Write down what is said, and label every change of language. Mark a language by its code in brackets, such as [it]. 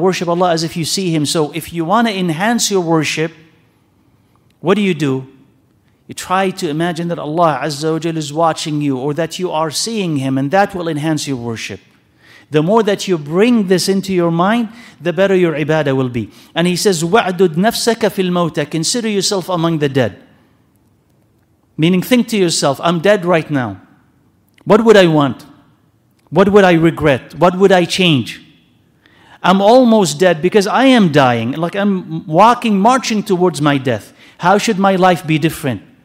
[en] Worship Allah as if you see Him. So if you want to enhance your worship, what do? You try to imagine that Allah Azza wa Jal is watching you, or that you are seeing Him, and that will enhance your worship. The more that you bring this into your mind, the better your ibadah will be. And he says, [ar] وَعْدُدْ نَفْسَكَ فِي الْمَوْتَى. [en] Consider yourself among the dead. Meaning, think to yourself, I'm dead right now. What would I want? What would I regret? What would I change? I'm almost dead because I am dying. Like I'm walking, marching towards my death. How should my life be different?